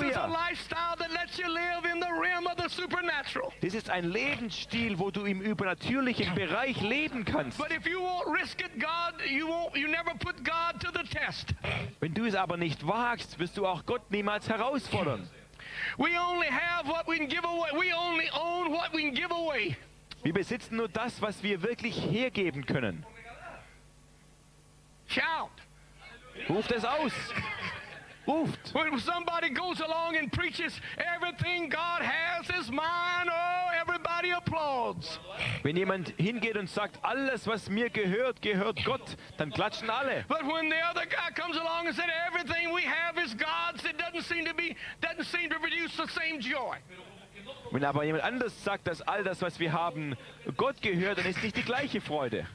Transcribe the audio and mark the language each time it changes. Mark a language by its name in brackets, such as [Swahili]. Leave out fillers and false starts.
[English] This is a lifestyle that lets you live in the realm of the supernatural. [German] Das ist ein Lebensstil, wo du im übernatürlichen Bereich leben kannst. [English] But if you won't risk it, God, you never put God to the test. [German] Wenn du es aber nicht wagst, wirst du auch Gott niemals herausfordern. [English] We only have what we can give away. We only own what we can give away. [German] Wir besitzen nur das, was wir wirklich hergeben können. [English] Shout! [German] Ruft es aus! Ruft! [English] When somebody goes along and preaches, everything God has is mine. Oh, everybody applauds. [German] Wenn jemand hingeht und sagt, alles, was mir gehört, gehört Gott, dann klatschen alle. [English] But when the other guy comes along and said, everything we have is God's, it doesn't seem to produce the same joy. [German] Wenn aber jemand anders sagt, dass all das, was wir haben, Gott gehört, dann ist nicht die gleiche Freude.